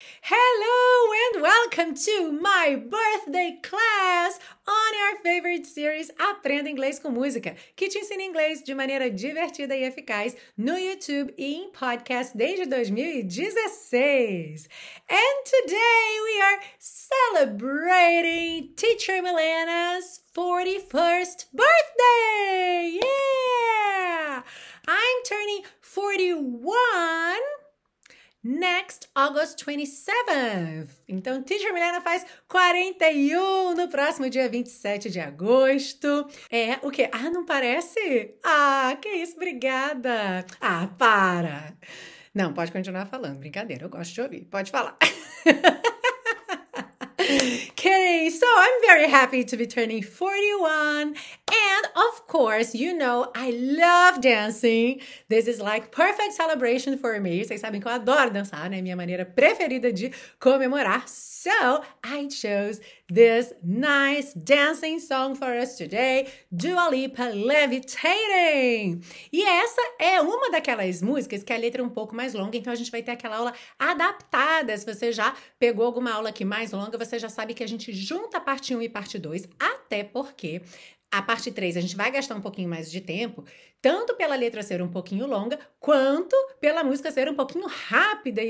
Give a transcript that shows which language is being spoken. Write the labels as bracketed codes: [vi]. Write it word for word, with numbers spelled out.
[en] Hello and welcome to my birthday class on our favorite series [pt] Aprenda Inglês com Música, que te ensina inglês de maneira divertida e eficaz no YouTube e em podcast desde dois mil e dezesseis. [en] And today we are celebrating Teacher Milena's forty-first birthday! Yeah! I'm turning forty-one next August twenty-seventh. [pt] Então, Teacher Milena faz quarenta e um no próximo dia vinte e sete de agosto. É, o quê? Ah, não parece? Ah, que isso, obrigada. Ah, para. Não, pode continuar falando, brincadeira, eu gosto de ouvir. Pode falar. [en] Okay, so I'm very happy to be turning forty-one. And of course, you know, I love dancing. This is like perfect celebration for me. [pt] Vocês sabem que eu adoro dançar, né? Minha maneira preferida de comemorar. [en] So I chose this nice dancing song for us today, Dua Lipa, Levitating. [pt] E essa é uma daquelas músicas que a letra é um pouco mais longa, então a gente vai ter aquela aula adaptada. Se você já pegou alguma aula aqui mais longa, você já sabe que a gente junta a parte um e parte dois, até porque a parte três a gente vai gastar um pouquinho mais de tempo, tanto pela letra ser um pouquinho longa, quanto pela música ser um pouquinho rápida.